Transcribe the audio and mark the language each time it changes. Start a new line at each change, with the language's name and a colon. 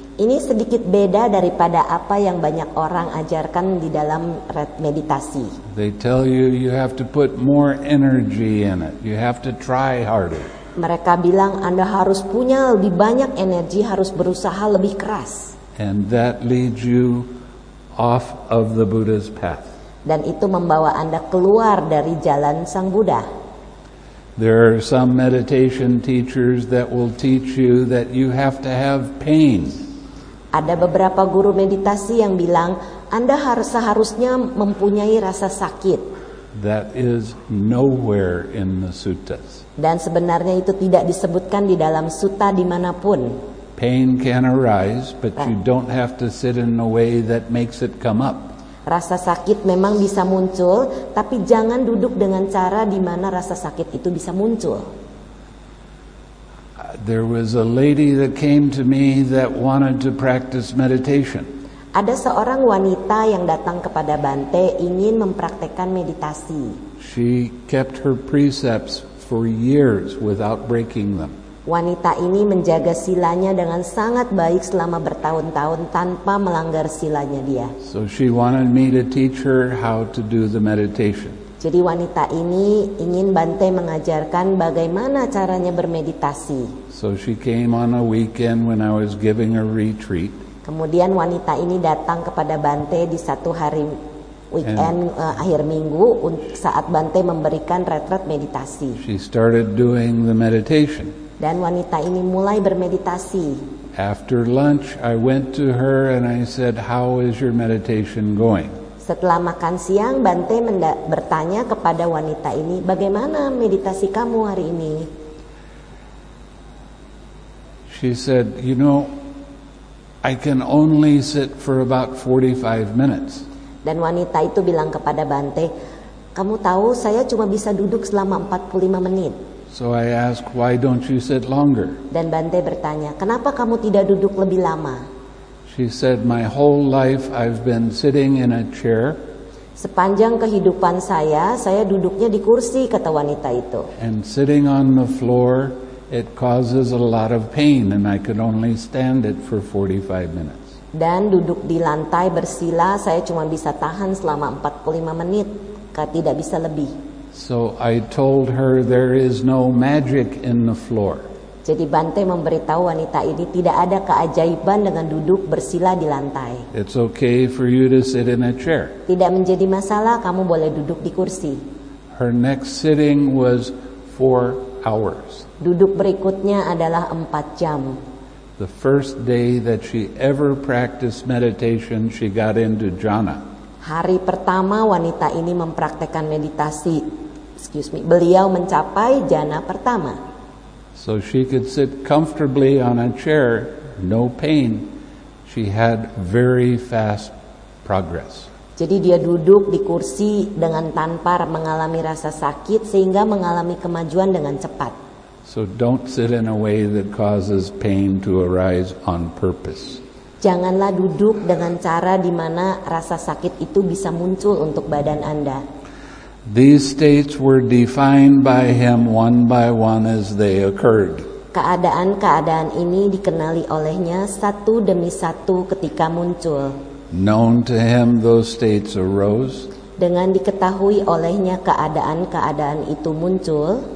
Indonesian: Ini sedikit beda daripada apa yang banyak orang ajarkan di dalam meditasi.
English: They tell you you have to put more energy in it. You have to try harder.
Indonesian: Mereka bilang Anda harus punya lebih banyak energi, harus berusaha lebih keras.
English: And that leads you off of the Buddha's path.
Indonesian: Dan itu membawa Anda keluar dari jalan Sang Buddha.
English: There are some meditation teachers that will teach you that you have to have pain.
Indonesian: Ada beberapa guru meditasi yang bilang Anda harus seharusnya mempunyai rasa sakit.
English: That is nowhere in the suttas.
Indonesian: Dan sebenarnya itu tidak disebutkan di dalam sutta dimanapun.
English: Pain can arise, but you don't have to sit in a way that makes it come up.
Indonesian: Rasa sakit memang bisa muncul, tapi jangan duduk dengan cara di mana rasa sakit itu bisa muncul.
English: There was a lady that came to me that wanted to practice meditation.
Indonesian: Ada seorang wanita yang datang kepada Bante ingin mempraktikkan meditasi.
English: She kept her precepts for years without breaking them.
Indonesian: Wanita ini menjaga silanya dengan sangat baik selama bertahun-tahun tanpa melanggar silanya dia.
English: So she wanted me to teach her how to do the meditation.
Indonesian: Jadi wanita ini ingin Bante mengajarkan bagaimana caranya bermeditasi.
English: So she came on a weekend when I was giving a retreat.
Indonesian: Kemudian wanita ini datang kepada Bante di satu hari weekend akhir minggu saat Bante memberikan retret meditasi.
English: She started doing the meditation.
Indonesian: Dan wanita ini mulai bermeditasi.
English: After lunch, I went to her and I said, "How is your meditation going?"
Indonesian: Setelah makan siang, Bante bertanya kepada wanita ini, "Bagaimana meditasi kamu hari ini?"
English: She said, "You know, I can only sit for about 45 minutes."
Indonesian: Dan wanita itu bilang kepada Bante, "Kamu tahu saya cuma bisa duduk selama 45 menit."
English: So I asked, "Why don't you sit longer?"
Indonesian: Dan Bante bertanya, "Kenapa kamu tidak duduk lebih lama?"
English: She said, "My whole life I've been sitting in a chair."
Indonesian: Sepanjang kehidupan saya duduknya di kursi, kata wanita itu.
English: And sitting on the floor, it causes a lot of pain, and I could only stand it for 45 minutes.
Indonesian: Dan duduk di lantai bersila, saya cuma bisa tahan selama 45 menit, tidak bisa lebih.
English: So I told her there is no magic in the floor.
Indonesian: Jadi Bante memberitahu wanita ini tidak ada keajaiban dengan duduk bersila di lantai.
English: It's okay for you to sit in a chair.
Indonesian: Tidak menjadi masalah, kamu boleh duduk di kursi.
English: Her next sitting was 4 hours.
Indonesian: Duduk berikutnya adalah 4 jam.
English: The first day that she ever practiced meditation, she got into jhana.
Indonesian: Hari pertama wanita ini mempraktikkan meditasi, beliau mencapai jhana pertama.
English: So she could sit comfortably on a chair, no pain. She had very fast progress.
Indonesian: Jadi dia duduk di kursi dengan tanpa mengalami rasa sakit sehingga mengalami kemajuan dengan cepat.
English: So don't sit in a way that causes pain to arise on purpose.
Indonesian: Janganlah duduk dengan cara di mana rasa sakit itu bisa muncul untuk badan Anda.
English: These states were defined by him one by one as they occurred.
Indonesian: Keadaan-keadaan ini dikenali olehnya satu demi satu ketika muncul.
English: Known to him, those states arose.
Indonesian: Dengan diketahui olehnya keadaan-keadaan itu muncul.